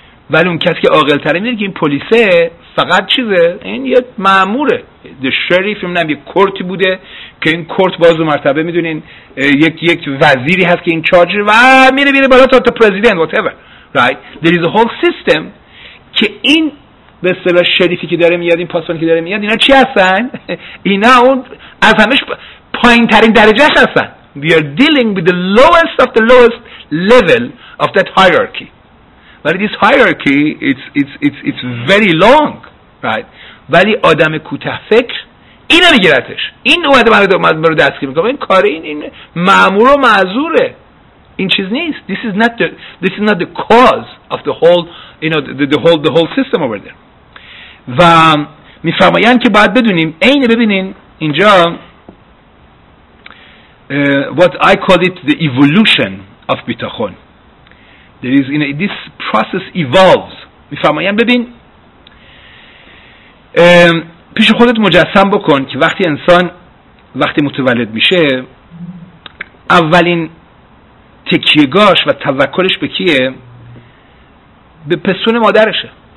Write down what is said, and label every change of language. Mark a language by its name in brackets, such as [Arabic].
[Persian] ولی اون کسی که عاقل تره میدونه که این پلیسه فقط چیزه، این یه ماموره، [English] the sheriff [Persian] نمیدونم یه کورتی بوده که این کورت باز و مرتبه میدونین یک وزیری هست که این چارجر و میره بالا تا پرزیدنت [English] whatever right there is a whole system [Persian] که این به اصطلاح شریفی که داره میاد این پاسپورتی که داره میاد اینا چی هستن؟ اینا اون از همش پایین ترین درجه هستن. [English] we are dealing with the lowest of the lowest level of that hierarchy but this hierarchy it's very long right. [Persian] ولی آدم کوته فکر اینا میگیرتش، این اومده منو دستگیر میکنه، این کاری این مامور و معذوره، این چیز نیست. [English] This is not the cause of the whole you know the whole system over there. [Persian] و میفرمایند که باید بدونیم عین ببینین اینجا [English] what I call it the evolution of [Persian] بیتاخون. [English] There is this process evolves. [Persian] میفرمایند ببین پیش خودت مجسم بکن که وقتی انسان وقتی متولد میشه اولین تکیهگاش و توکلش به کیه؟ به پسون مادرشه.